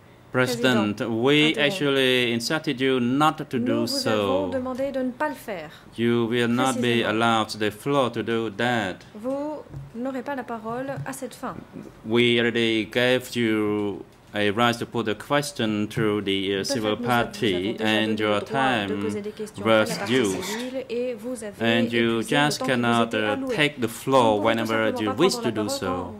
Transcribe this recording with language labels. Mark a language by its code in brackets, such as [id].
[en] President, we actually instructed you not to do so. You will not be allowed the floor to do that. [fr] Vous n'aurez pas la parole à cette fin. [en] We already gave you a right to put a question to the civil party, and your time was used. And you just cannot take the floor whenever you wish to do so.